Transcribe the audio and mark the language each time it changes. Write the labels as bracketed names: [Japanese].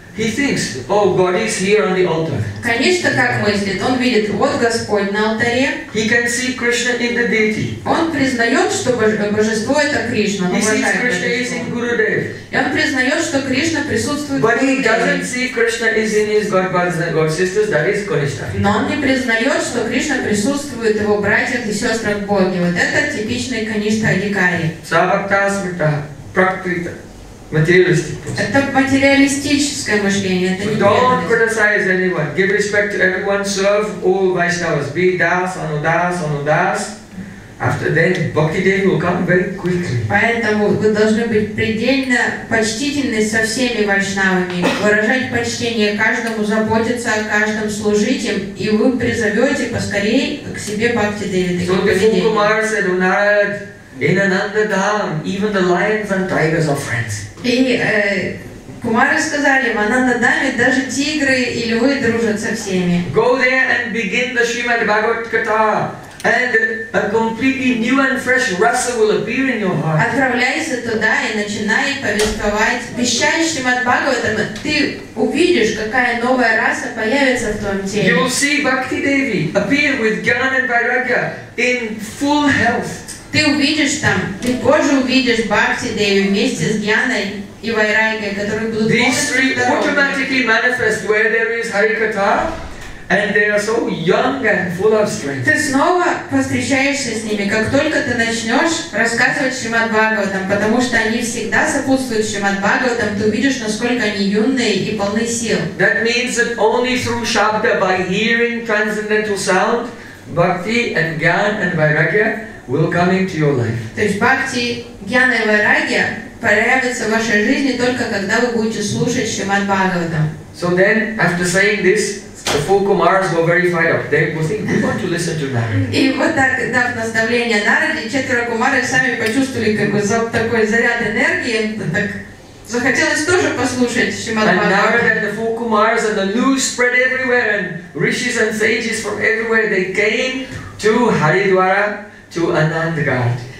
[English] He thinks, oh, God is here on the altar. [Russian] Конечно, как мыслит, он видит, вот Господь на алтаре. [English] He can see Krishna in the deity. [Russian] Он признает, что Божество это Кришна. [English] He sees Krishna is in Gurudev. [Russian] И он признает, что Кришна присутствует в Гурудеве. [English] But he doesn't see Krishna is in his God brothers and God sisters. That is Konishta. [Russian] Но он не признает, что Кришна присутствует в его братьях и сестрах Боге. Вот это типичный Konishta Adhikari. [Sanskrit] Sabhakta smrita prakrita. [Russian] Это материалистическое мышление, это не верность. [English] Don't criticize anyone. Give respect to everyone. Serve all Vaishnavas. Be das, anudas, anudas. After that, Bhakti Devi will come very quickly. [Russian] Поэтому вы должны быть предельно почтительны со всеми вайшнавами, выражать почтение каждому, заботиться о каждом, служить им, и вы призовете поскорее к себе Бхакти Деви. [English] So before Kumar said, Narad, in Ananda Dham, even the lions and tigers are friends. [Russian] И Кумары сказали, в Ананда Даме даже тигры и львы дружат со всеми. [English] Go there and begin the Srimad Bhagavatam, and a completely new and fresh rasa will appear in your heart. [Russian] Отправляйся туда и начинай повествовать. Вещай Шримад Бхагаватам, ты увидишь, какая новая раса появится в твоем теле. [English] You will see Bhakti Devi appear with Gyan and Vairagya in full health. [Russian] Ты увидишь там, ты позже увидишь Бхакти Деви вместе с Гьяной и Вайрагой, которые будут полностью здоровы. [English] These three automatically manifest where there is Харикатха, and they are so young and full of strength. [Russian] Ты снова повстречаешься с ними, как только ты начнешь рассказывать Шримад Бхагаватам, потому что они всегда сопутствуют Шримад Бхагаватам, ты увидишь, насколько они юные и полны сил. [English] That means that only through Shabda, by hearing transcendental sound, Bhakti and Gyan and Vairagya will come into your life. [Russian] То есть Бхакти, Гьяна и Вайрагья проявятся в вашей жизни только когда вы будете слушать Шримад Бхагаватам. [English] So then, after saying this, the four Kumaras were very fired up. They were thinking, we want to listen to Narada. [Russian] И вот так, дав наставление Нараде, четверо Кумары сами почувствовали такой заряд энергии, так захотелось тоже послушать Шримад Бхагаватам. [English] And Narada and the four Kumaras and the news spread everywhere, and rishis and sages from everywhere, they came to Haridwara, to Anandgarh.